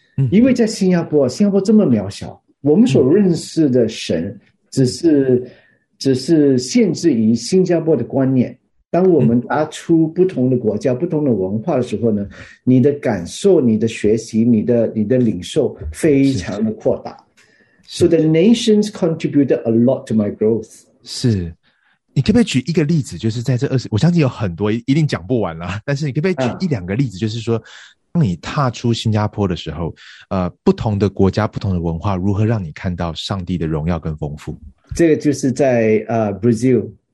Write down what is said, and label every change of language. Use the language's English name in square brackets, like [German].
[Chinese] 因为在新加坡这么渺小，我们所认识的神只是限制于新加坡的观念。当我们拿出不同的国家不同的文化的时候呢，你的感受，你的学习，你的领受非常的扩大。 [English] So the nations contributed a lot to my growth。 [Chinese] 是，你可不可以举一个例子，就是在这20，我相信有很多一定讲不完啦，但是你可不可以举一两个例子，就是说当你踏出新加坡的时候，不同的国家不同的文化如何让你看到上帝的荣耀跟丰富。这个就是在Brazil，